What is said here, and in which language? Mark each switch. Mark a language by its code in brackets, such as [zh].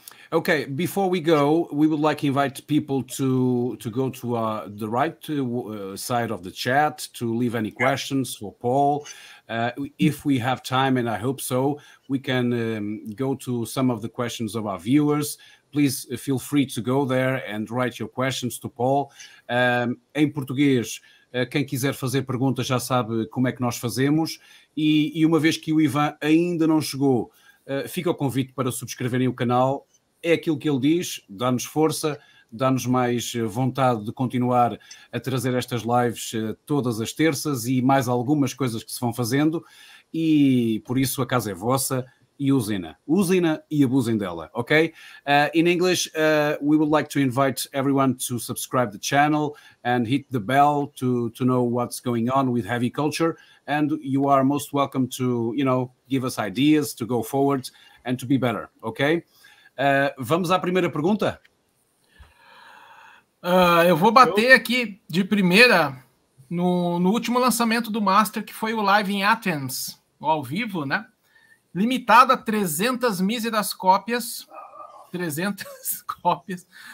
[en] Okay, before we go, we would like to invite people to go to the right side of the chat to leave any questions for Paul. If we have time, and I hope so, we can go to some of the questions of our viewers. Please feel free to go there and write your questions to Paul. [pt] Em português, quem quiser fazer perguntas já sabe como é que nós fazemos. E uma vez que o Ivan ainda não chegou, fica o convite para subscreverem o canal. É aquilo que ele diz, dá-nos força, dá-nos mais vontade de continuar a trazer estas lives todas as terças e mais algumas coisas que se vão fazendo. E por isso a casa é vossa e usem-na. Usem-na e abusem dela, ok? [en] In English, we would like to invite everyone to subscribe the channel and hit the bell to know what's going on with Heavy Culture. And you are most welcome to, you know, give us ideas to go forward and to be better, ok? [pt] Vamos à primeira pergunta? Eu vou bater aqui de primeira no último lançamento do Master, que foi o Live in Athens, ao vivo, né? Limitado a 300 míseras cópias. 300 cópias.